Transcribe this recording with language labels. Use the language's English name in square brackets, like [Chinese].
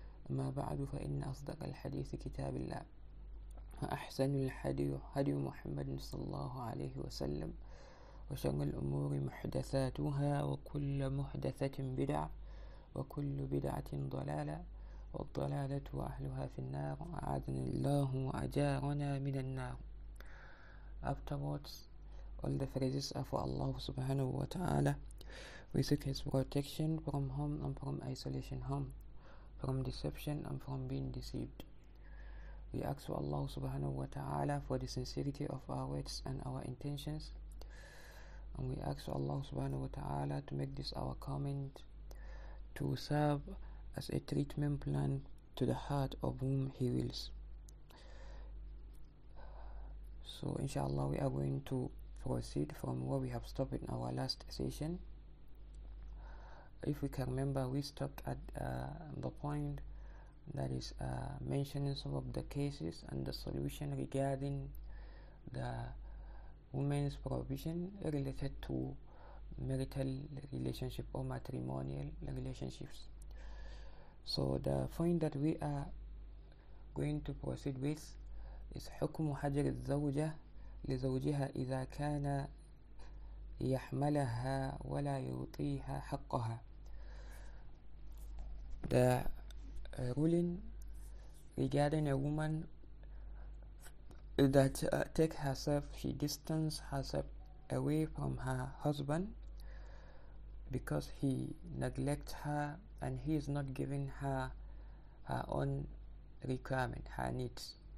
[Arabic] أما بعد، فإن أصدق الحديث كتاب الله وأحسن الحديث هدي محمد صلى الله عليه وسلم، وشر الأمور محدثاتها وكل محدثة بدعة وكل بدعة ضلالة والضلالة أهلها في النار. أعاذنا الله وأجارنا من النار. [English] Afterwards, all the praises are for Allah subhanahu wa ta'ala. We seek His protection from home and from isolation home, from deception and from being deceived. We ask for Allah subhanahu wa ta'ala for the sincerity of our words and our intentions. And we ask for Allah subhanahu wa ta'ala to make this our comment to serve as a treatment plan to the heart of whom He wills. So inshallah, we are going to proceed from where we have stopped in our last session. If we can remember, we stopped at the point that is mentioning some of the cases and the solution regarding the woman's provision related to marital relationship or matrimonial relationships. So the point that we are going to proceed with is [Arabic] حكم حجر الزوجة لزوجها إذا كان يحملها ولا يعطيها حقها. [English] The ruling regarding a woman that take herself, she distance herself away from her husband because he neglect her and he is not giving her own requirement, her needs.